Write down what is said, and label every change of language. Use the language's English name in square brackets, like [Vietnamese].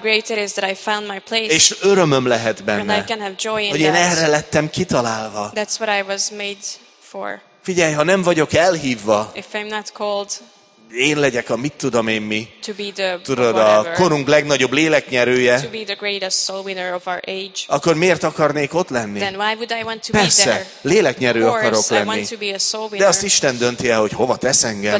[English] Greater is that I found my place, [Hungarian] és örömöm lehet benne, [English] and I can have joy in [Hungarian] hogy én erre lettem kitalálva. [English] That's what I was made for. [Hungarian] Figyelj, ha nem vagyok elhívva, [English] if I'm not called, [Hungarian] én legyek a mit tudom én mi, [English] to be the, [Hungarian] tudod, [English] whatever, [Hungarian] a korunk legnagyobb léleknyerője, [English] to be the greatest soul winner of our age, [Hungarian] akkor miért akarnék ott lenni? [English] Then why would I want to [Hungarian] persze, [English] be there? [Hungarian] Léleknyerő [English] course, [Hungarian] akarok lenni. [English] I want to be a soul winner, [Hungarian] de azt Isten dönti el, hogy hova tesz engem.